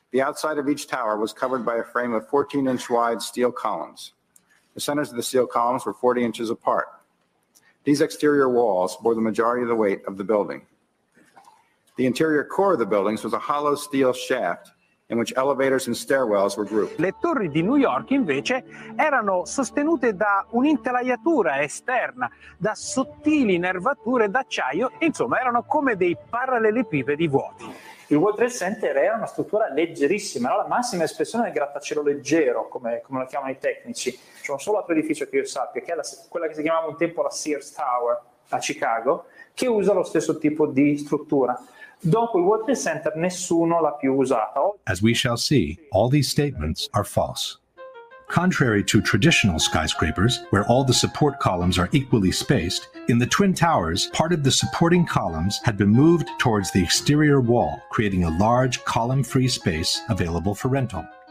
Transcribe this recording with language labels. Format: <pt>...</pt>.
<en>The outside of each tower was covered by a frame of 14-inch wide steel columns. The centers of the steel columns were 40 inches apart. These exterior walls bore the majority of the weight of the building. The interior core of the buildings was a hollow steel shaft in which elevators and stairwells were grouped.</en> <it>Le torri di New York, invece, erano sostenute da un'intelaiatura esterna, da sottili nervature d'acciaio, insomma, erano come dei parallelepipedi vuoti. Il World Trade Center era una struttura leggerissima, era la massima espressione del grattacielo leggero, come lo chiamano i tecnici. C'è un solo altro edificio che io sappia, che è quella che si chiamava un tempo la Sears Tower a Chicago, che usa lo stesso tipo di struttura. Dopo il World Trade Center nessuno l'ha più usata.</it> <en>As we shall see, all these statements are false. Contrary to traditional skyscrapers, where all the support columns are equally spaced, in the Twin Towers, part of the supporting columns had been moved towards the exterior wall, creating a large column-free space available for rental.</en>